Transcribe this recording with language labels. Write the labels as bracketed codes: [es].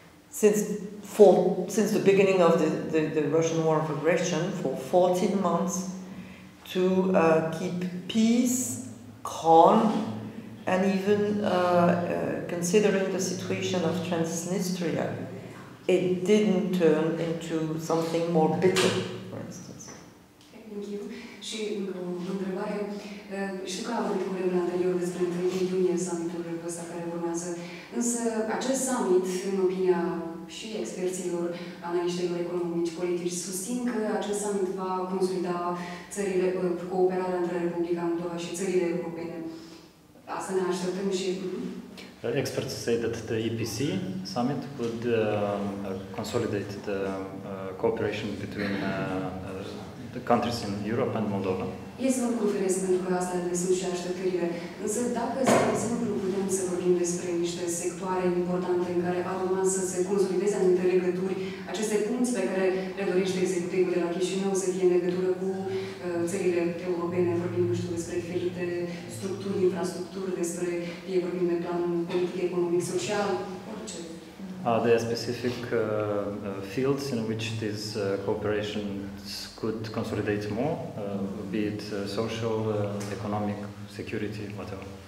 [en] since the beginning of the Russian war of aggression for 14 months to keep peace, calm, and even considering the situation of Transnistria, it didn't turn into something more bitter, for instance. Thank you. [ro] Și încă o întrebare. Știu că a avut curând în anterior despre 1 iunie summitul ăsta care urmează, însă acest summit, în opinia și experților, analiștilor economici, politici, susțin că acest summit va consolida țările, cooperarea între Republica Moldova și țările europene. Asta ne așteptăm și... [en] Experts say that the EPC summit would consolidate the cooperation between the countries in Europe and Moldova. [ro] Este o conferință pentru că astea le sunt și așteptările. Însă dacă, de exemplu, putem să vorbim despre niște sectoare importante în care ar urma să se consolideze anumite legături, aceste punți pe care le dorește executivul de la Chișinău să fie în legătură cu țările europene, vorbim, nu știu, despre diferite structuri, infrastructuri, despre, fie vorbim de plan politic, economic, social, orice. [en] Are there specific fields in which these cooperations could consolidate more, be it social, economic, security, whatever?